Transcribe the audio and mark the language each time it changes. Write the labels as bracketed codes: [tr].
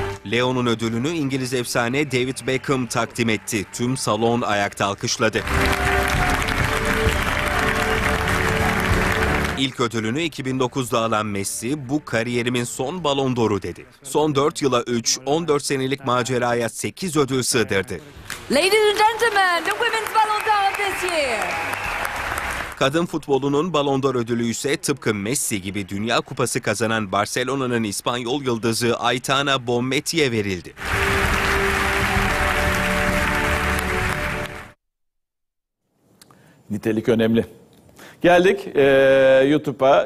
[tr] Leo'nun ödülünü İngiliz efsane David Beckham takdim etti. Tüm salon ayakta alkışladı. İlk ödülünü 2009'da alan Messi, bu kariyerimin son Ballon d'Or'u dedi. Son 4 yıla 3, 14 senelik maceraya 8 ödül sığdırdı. [en] Ladies and gentlemen, the women's Ballon d'Or this year. [tr] Kadın futbolunun Ballon d'Or ödülü ise tıpkı Messi gibi Dünya Kupası kazanan Barcelona'nın İspanyol yıldızı Aitana Bonmatí'ye verildi. Nitelik önemli. Geldik YouTube'a.